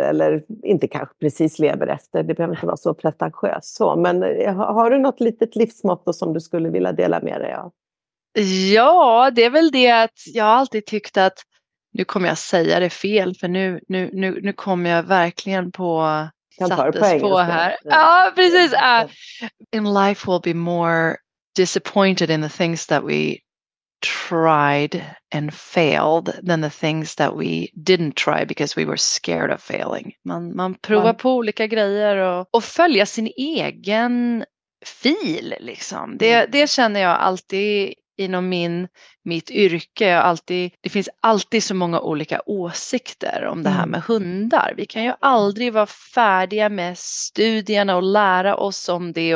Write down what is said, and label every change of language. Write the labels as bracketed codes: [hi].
[sv] Eller inte kanske precis lever efter. Det behöver inte vara så pretentiöst. Så, men har du något litet livsmotto som du skulle vilja dela med dig av? Ja, det är väl det att jag alltid tyckte att nu kommer jag säga det fel för nu kommer jag verkligen på spår här. Ja, precis. [en] In life we'll be more disappointed in the things that we tried and failed than the things that we didn't try because we were scared of failing. [sv] Man provar på olika grejer och följa sin egen fil liksom. Det känner jag alltid inom mitt yrke, det finns alltid så många olika åsikter om det här med hundar. Vi kan ju aldrig vara färdiga med studierna och lära oss om det.